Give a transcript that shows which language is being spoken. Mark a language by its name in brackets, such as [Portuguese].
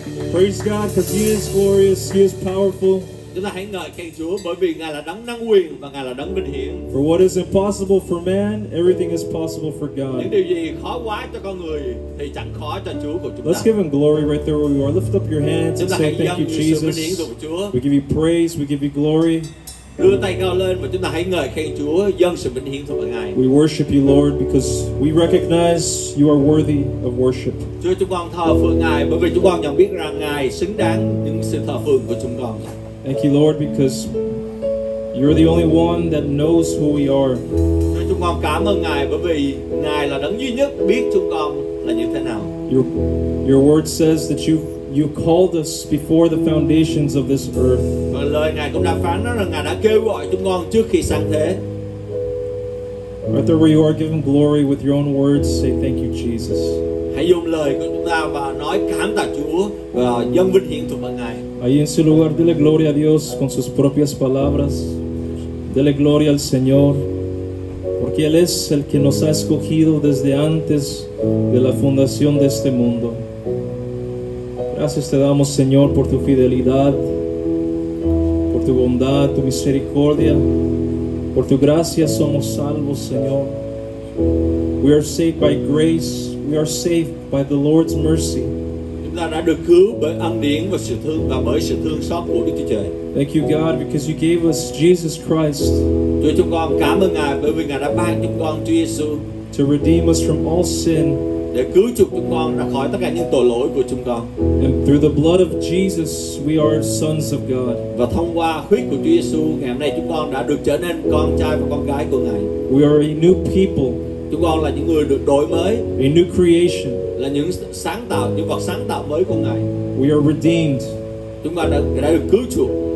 [English] Praise God, because He is glorious, He is powerful. [Vietnamese] Chúng ta hãy ngợi khen Chúa bởi vì Ngài là đấng năng quyền và Ngài là đấng vinh hiển. [English] For what is impossible for man, everything is possible for God. [Vietnamese] Những điều gì khó quá cho con người thì chẳng khó cho Chúa của chúng ta. [English] Let's give Him glory right there where we are. Lift up your hands and say thank you, Jesus. We give you praise, we give you glory. [Vietnamese] Đưa tay cao lên và chúng ta hãy ngợi khen Chúa, dâng sự vinh hiển thuộc về Ngài. [English] We worship you, Lord, because we recognize you are worthy of worship. [Vietnamese] Chúa, chúng con thờ phượng Ngài bởi vì chúng con nhận biết rằng Ngài xứng đáng những sự thờ phượng của chúng con. [English] Thank you, Lord, because you're the only one that knows who we are. [Vietnamese] Chúng con cảm ơn Ngài bởi vì Ngài là đấng duy nhất biết chúng con là như thế nào. [English] Your word says that you called us before the foundations of this earth. [Vietnamese] Và lời Ngài cũng đã phán đó rằng Ngài đã kêu gọi chúng con trước khi sanh thế. [English] Right there where you are, give Him glory with your own words. Say thank you, Jesus. [Vietnamese] Hãy dùng lời của chúng ta và nói cảm tạ Chúa và dâng vinh hiển thuộc về Ngài. [Spanish] Ahí en su lugar, dele gloria a Dios con sus propias palabras. Dele gloria al Señor, porque Él es el que nos ha escogido desde antes de la fundación de este mundo. Gracias te damos, Señor, por tu fidelidad, por tu bondad, tu misericordia, por tu gracia somos salvos, Señor. [English] We are saved by grace, we are saved by the Lord's mercy. [Vietnamese] Chúng ta đã được cứu bởi ân điển và sự thương và bởi sự thương xót của Đức Chúa Trời. [English] Thank you, God, because you gave us Jesus Christ. [Vietnamese] Chúa, chúng con cảm ơn Ngài bởi vì Ngài đã ban chúng con Chúa Giêsu. [English] To redeem us from all sin. [Vietnamese] Để cứu chúng con ra khỏi tất cả những tội lỗi của chúng con. [English] And through the blood of Jesus, we are sons of God. [Vietnamese] Và thông qua huyết của Chúa Giêsu, ngày hôm nay chúng con đã được trở nên con trai và con gái của Ngài. [English] We are a new people. [Vietnamese] Chúng con là những người được đổi mới. [English] A new creation. [Vietnamese] Là những sáng tạo, những vật sáng tạo mới của Ngài. [English] We are redeemed. [Vietnamese] Chúng con đã được cứu chuộc.